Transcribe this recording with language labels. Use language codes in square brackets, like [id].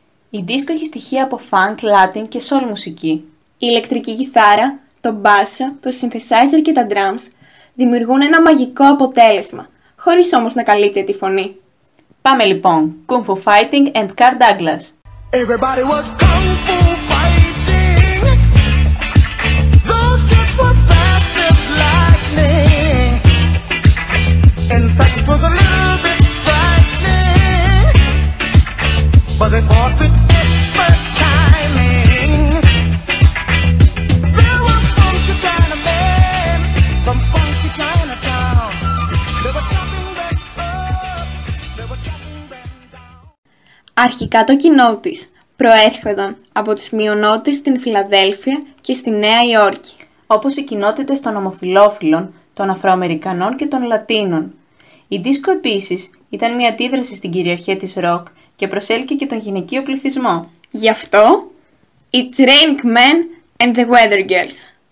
[el] Η δίσκο έχει στοιχεία από funk, latin και soul μουσική. Η ηλεκτρική κιθάρα, το μπάσο, το synthesizer και τα drums δημιουργούν ένα μαγικό αποτέλεσμα, χωρίς όμως να καλύπτει τη φωνή. Πάμε λοιπόν, [en] Kung Fu Fighting and Kurt Douglas. Everybody was Kung Fu Fighting. Those kids were fast as lightning. In fact, it was a little bit frightening. But they fought with expert timing. There were funky China men from funky Chinatown. They were chopping back up. They were chopping back down. [el] Αρχικά το κοινό της προέρχονταν από τις μειονότητες στην Φιλαδέλφια και στη Νέα Υόρκη, όπως οι κοινότητες των ομοφυλόφιλων, των Αφροαμερικανών και των Λατίνων. Η δίσκο επίσης ήταν μια αντίδραση στην κυριαρχία της ροκ και προσέλκυε και τον γυναικείο πληθυσμό. Γι' αυτό, It's Raining Men and the Weather Girls.